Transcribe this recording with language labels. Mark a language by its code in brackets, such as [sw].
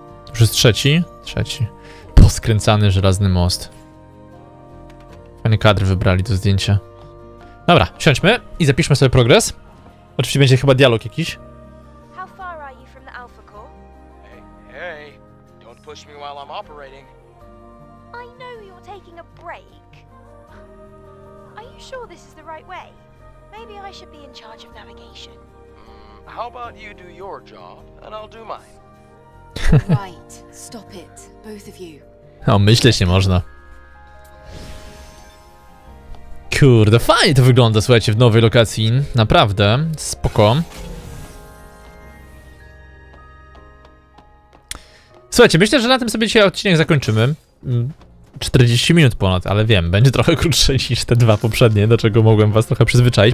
[pl] Już jest trzeci? Trzeci. Poskręcany żelazny most. Fajny kadr wybrali do zdjęcia. Dobra, siądźmy i zapiszmy sobie progres. Oczywiście będzie chyba dialog jakiś. [en] How far are you from the Alpha Corps? Hey, don't push me while I'm operating. I know you're taking a break. Are you sure this is the right way? Maybe I should be in charge of navigation. How about you do your job and I'll do mine. Right, stop it, both of you. [pl] No, myśleć nie można. Kurde, fajnie to wygląda, słuchajcie, w nowej lokacji. Naprawdę, spoko. Słuchajcie, myślę, że na tym sobie dzisiaj odcinek zakończymy. 40 minut ponad, ale wiem, będzie trochę krótsze niż te dwa poprzednie, do czego mogłem was trochę przyzwyczaić.